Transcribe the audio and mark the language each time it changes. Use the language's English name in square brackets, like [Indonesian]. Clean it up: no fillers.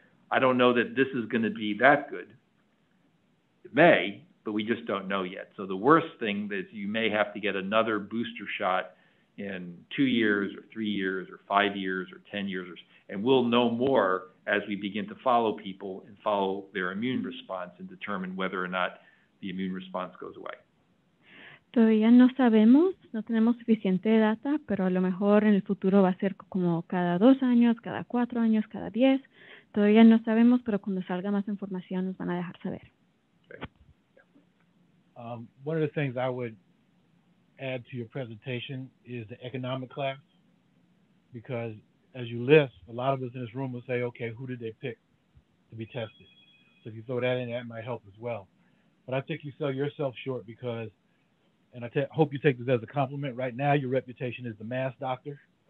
[English] I don't know that this is going to be that good. It may, but we just don't know yet. So the worst thing is you may have to get another booster shot in 2 years or 3 years or 5 years or 10 years. And we'll know more as we begin to follow people and follow their immune response and determine whether or not the immune response goes away. [Spanish] Todavía no sabemos, no tenemos suficiente data, pero a lo mejor en el futuro va a ser como cada 2 años, cada 4 años, cada 10. Todavía no sabemos, pero cuando salga más información nos van a dejar saber. [English] One of the things I would add to your presentation is the economic class, because as you list, a lot of us in this room will say, okay, who did they pick to be tested? So if you throw that in, that might help as well. But I think you sell yourself short because, and I hope you take this as a compliment, right now your reputation is the mass doctor.